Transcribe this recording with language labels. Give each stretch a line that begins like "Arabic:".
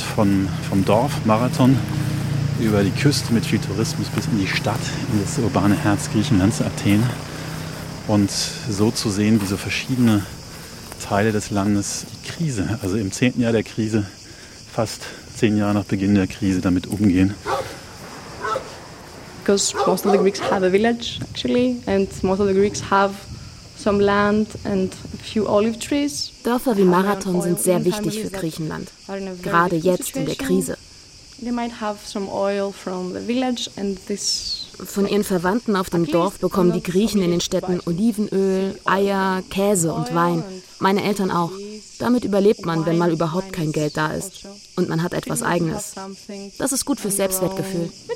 German: Vom Dorf Marathon über die Küste mit viel Tourismus bis in die Stadt, in das urbane Herz Griechenlands, Athen. Und so zu sehen, wie so verschiedene Teile des Landes die Krise, also im 10. Jahr der Krise, fast 10 Jahre nach Beginn der Krise, damit umgehen.
English: Because most of the Greeks have a village, actually, and most of the Greeks have some land and a few olive trees.
German: Dörfer wie Marathon sind sehr wichtig für Griechenland, gerade jetzt in der Krise.
English: They might have some oil from the village and this.
German: Von ihren Verwandten auf dem Dorf bekommen die Griechen in den Städten Olivenöl, Eier, Käse und Wein. Meine Eltern auch. Damit überlebt man, wenn mal überhaupt kein Geld da ist. Und man hat etwas Eigenes. Das ist gut fürs Selbstwertgefühl.